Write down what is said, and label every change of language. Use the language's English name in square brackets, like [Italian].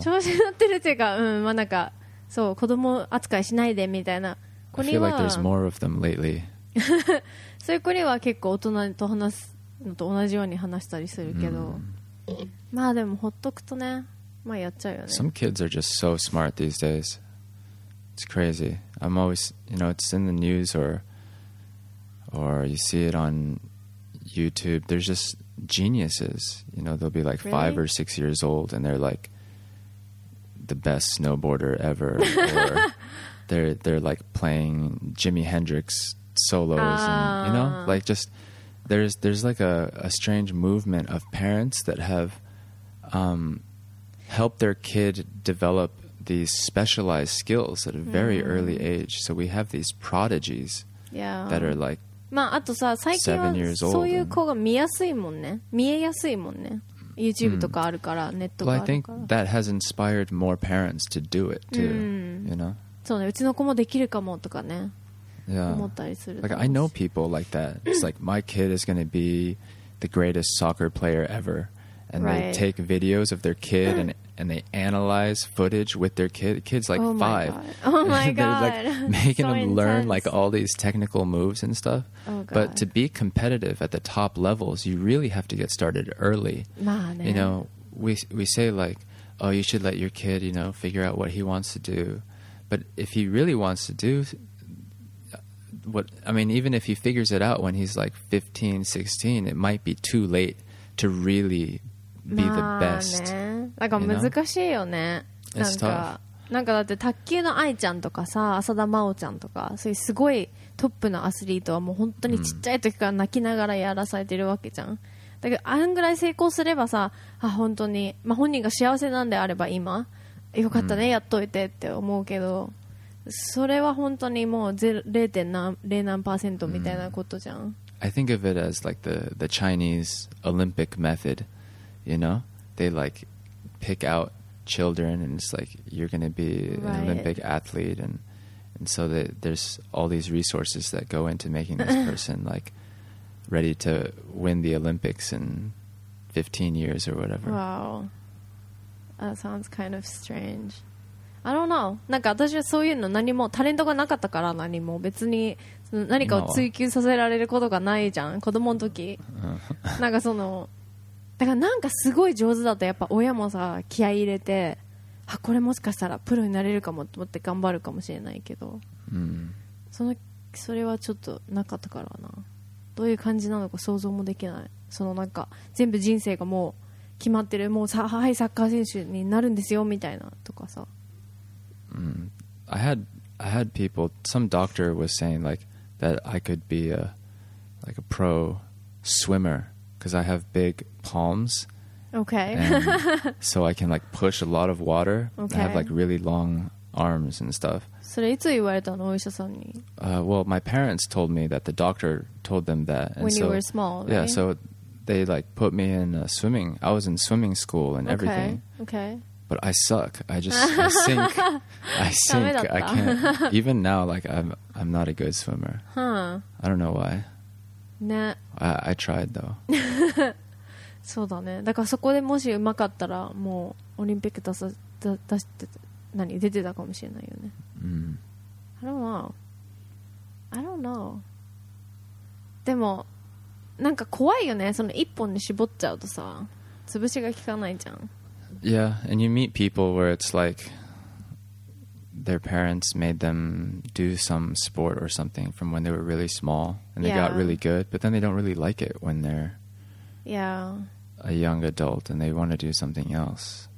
[Japanese] 調子乗ってるっていうか、うん、まあなんかそう子供扱いしないでみたいな子には、 [English] I feel like there's more of them lately. [Japanese] そういう子には結構大人と話すのと同じように話したりするけど、まあでもほっとくとね、まあやっちゃうよね。 [English] Some kids are just so smart these days. It's crazy. I'm always, you know, it's in the news or you see it on YouTube. There's just geniuses. You know, they'll be like really? 5 or 6 years old and they're like the best snowboarder ever. Or they're like playing Jimi Hendrix solos. And, you know, like just... There's like a strange movement of parents that have helped their kid develop these specialized skills at a very early age. So we have these prodigies that are like 7 years old. [Japanese] そういう子が見やすいもんね。見えやすいもんね。YouTube とかあるから、ネットがあるから。 [English] I think that has inspired more parents to do it too. You know? そうね。うちの子もできるかもとかね。 Yeah. Like, I know people like that. It's like, my kid is going to be the greatest soccer player ever. And right. they take videos of their kid and they analyze footage with their kid. The kid's like 5. Oh, my God. Oh my They're God. Like making so them intense. Learn like all these technical moves and stuff. Oh God. But to be competitive at the top levels, you really have to get started early. Man. You know, we say like, oh, you should let your kid, you know, figure out what he wants to do. But if he really wants to do... What, I mean, even if he figures it out when he's like 15, 16, it might be too late to really be the best. [Japanese] まあね、なんか難しいよね。 [English] It's tough. [Japanese] なんかだって卓球の愛ちゃんとかさ、浅田真央ちゃんとか、そういうすごいトップのアスリートはもう本当にちっちゃい時から泣きながらやらされてるわけじゃん。だけどあんぐらい成功すればさ、あ本当に、まあ、本人が幸せなんであれば今よかったね、うん、やっといてって思うけど、それは本当にもう 0.0 何パーセントみたいなことじゃん。 [English] I think of it as like the Chinese Olympic method, you know? They like pick out children and it's like you're going to be an Olympic athlete and so there's all these resources that go into making this person like ready to win the Olympics in 15 years or whatever. Wow. That sounds kind of strange. I don't know. [Japanese] なんか私はそういうの何もタレントがなかったから何も別にその何かを追求させられることがないじゃん子供の時。なんかそのだからなんかすごい上手だとやっぱ親もさ気合い入れてあこれもしかしたらプロになれるかもと思って頑張るかもしれないけど、うん、それはちょっとなかったからな。どういう感じなのか想像もできない。そのなんか全部人生がもう決まってる、もうさ、はい、サッカー選手になるんですよみたいなとかさ。 [English] I had people, some doctor was saying like that I could be a pro swimmer because I have big palms. Okay. So I can like push a lot of water. Okay. I have like really long arms and stuff. [Japanese] それいつ言われたの？お医者さんに。 [English] Well, my parents told me that the doctor told them that. And when you were small, right? Yeah, so they like put me in swimming. I was in swimming school and everything. Okay. But I suck. I sink. I sink. I can't. Even now, like I'm not a good swimmer. Huh. I don't know why. [Japanese] ね。 [English] I tried though. [Japanese] そうだね。だからそこでもし上手かったらもうオリンピック出して何出てたかもしれないよね。 Mm. [English] I don't know. [Japanese] でもなんか怖いよね。その一本に絞っちゃうとさ、潰しが効かないじゃん。 [English] Yeah, and you meet people where it's like their parents made them do some sport or something from when they were really small and they got really good, but then they don't really like it when they're a young adult and they want to do something else.